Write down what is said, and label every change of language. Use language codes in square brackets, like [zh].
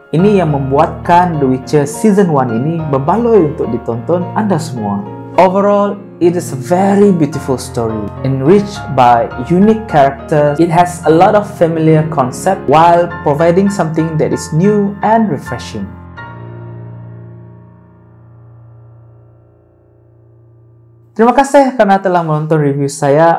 [ms] Ini yang membuatkan The Witcher Season 1 ini berbaloi untuk ditonton anda semua. [en] Overall, it is a very beautiful story, enriched by unique characters. It has a lot of familiar concepts while providing something that is new and refreshing. [ms] Terima kasih karena telah menonton review saya.